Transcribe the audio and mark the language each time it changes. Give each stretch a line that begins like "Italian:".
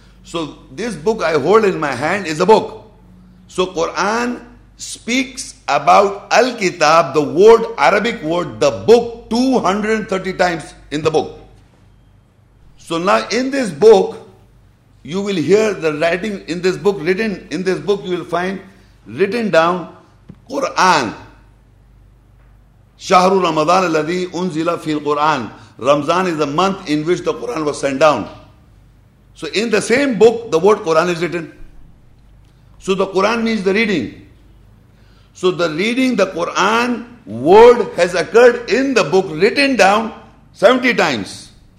English: So this book I hold in my hand is a book. So Quran speaks about Al-Kitab, the word, Arabic word, the book, 230 times in the book. So now in this book, you will hear the writing in this book written. In this book, you will find written down Quran.
Arabic: شهر رمضان الذي أنزل في القرآن.
English: Ramzan is the month in which the Quran was sent down. So in the same book, the word Quran is written. So the Quran means the reading. So the reading, the Quran word has occurred in the book written down 70 times.